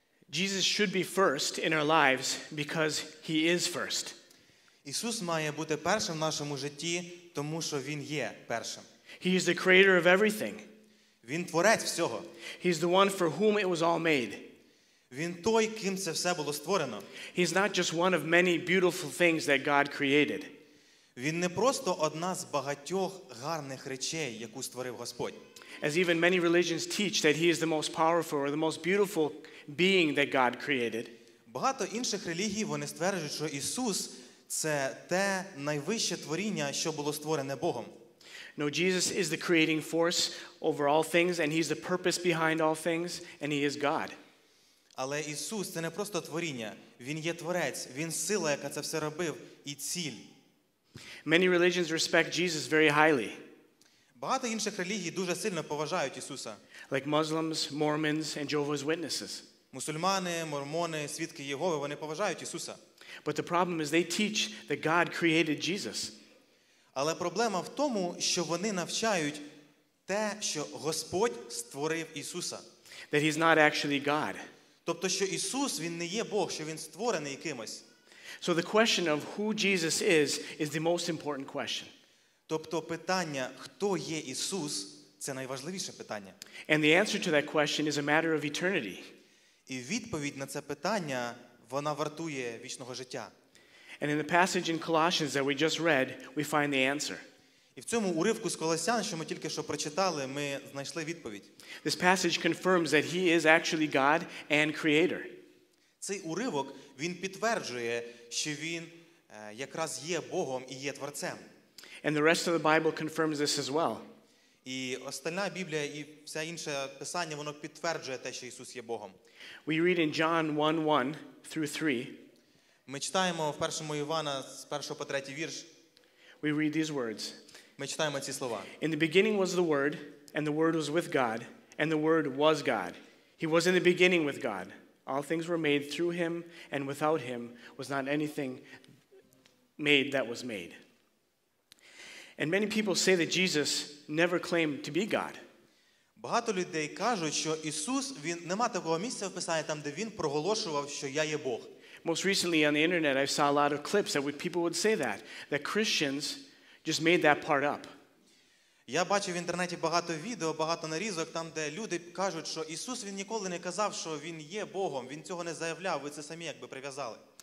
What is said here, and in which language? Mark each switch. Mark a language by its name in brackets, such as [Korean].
[English] Jesus should be first in our lives because he is first. [Ukrainian] Ісус має бути першим в нашому житті, тому що він є першим. [English] He is the creator of everything. [Ukrainian] Він творець всього. [English] He is the one for whom it was all made. [Ukrainian] Він той, ким це все було створено. [English] He is not just one of many beautiful things that God created. [Ukrainian] Він не просто одна з багатьох гарних речей, яку створив Господь. [English] As even many religions teach that he is the most powerful or the most beautiful being that God created. [Ukrainian] Багато інших релігій вони стверджують, що Ісус це те найвище творіння, що було створене Богом. [English] No, Jesus is the creating force over all things and he's the purpose behind all things and he is God. [Ukrainian] Але Ісус це не просто творіння, він є творець, він сила, яка це все робив і ціль. [English] Many religions respect Jesus very highly. [Ukrainian] Багато інших релігій дуже сильно поважають Ісуса. [English] Like Muslims, Mormons and Jehovah's Witnesses. [Ukrainian] Мусульмани, мормони, свідки Єгови, вони поважають Ісуса. [English] But the problem is they teach that God created Jesus. [Ukrainian] Але проблема в тому, що вони навчають, те, що Господь створив Ісуса. [English] That he's not actually God. [Ukrainian] Тобто, що Ісус, він не є Бог, що він створений якимось. [English] So the question of who Jesus is the most important question. [Ukrainian] Тобто питання, хто є Ісус, це найважливіше питання. [English] And the answer to that question is a matter of eternity. [Ukrainian] І відповідь на це питання, вона вартує вічного життя. [English] And in the passage in Colossians that we just read, we find the answer. [Ukrainian] І в цьому уривку з Колосян, що ми тільки що прочитали, ми знайшли відповідь. [English] This passage confirms that he is actually God and creator. [Ukrainian] Цей уривок, він підтверджує, що він якраз є Богом і є творцем. [English] And the rest of the Bible confirms this as well. [Ukrainian] І остальна Біблія і все інше писання, воно підтверджує те, що Ісус є Богом. [English] We read in John 1:1 through 3. [Ukrainian] Ми читаємо в першому Івана з 1 по 3 вірш. [English] We read these words. [Ukrainian] Ми читаємо ці слова. [English] In the beginning was the Word, and the Word was with God, and the Word was God. He was in the beginning with God. All things were made through him, and without him was not anything made that was made. And many people say that Jesus never claimed to be God. [Ukrainian] Багато людей кажуть, що Ісус, він нема такого місця в Писанні там, де він проголошував, що я є Бог. [English] Most recently on the internet I saw a lot of clips that people would say that Christians just made that part up. [Ukrainian] Я бачив в інтернеті багато відео, багато нарізок там, де люди кажуть, що Ісус він ніколи не казав, що він є Богом, він цього не заявляв, ви це самі якби прив'язали.